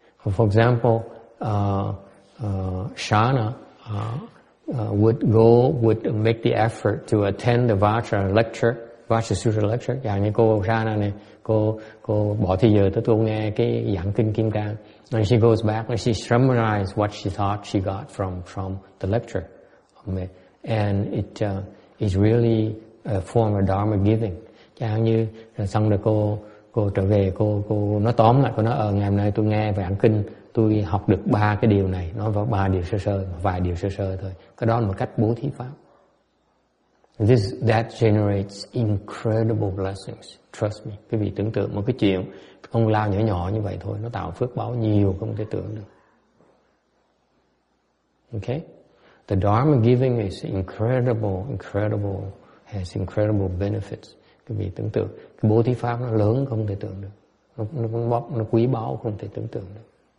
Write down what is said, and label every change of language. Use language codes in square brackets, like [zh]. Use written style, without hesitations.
[en] For example, Shana would make the effort to attend the Vajra lecture, Vajra Sutra lecture. [vi] Dạ, như cô Shana này, cô bỏ thời giờ tới tôi nghe cái giảng kinh Kim Cang. [en] And she goes back and she summarizes what she thought she got from the lecture. And it is really a form of Dharma giving. [vi] Chẳng như xong rồi cô trở về, cô nói tóm lại, cô nói ngày hôm nay tôi nghe về giảng kinh, tôi học được ba cái điều này, nói vào ba điều sơ sơ, vài điều sơ sơ thôi. Cái đó là một cách bố thí pháp. [en] That generates incredible blessings. Trust me. [vi] Quý vị tưởng tượng một cái chuyện công lao nhỏ nhỏ như vậy thôi, nó tạo phước báo nhiều không thể tưởng được. [en] Okay? The Dharma giving is incredible, has incredible benefits. [vi] Quý vị tưởng tượng, cái bố thí pháp nó lớn không thể tưởng được. Nó quý báu không thể tưởng tượng được.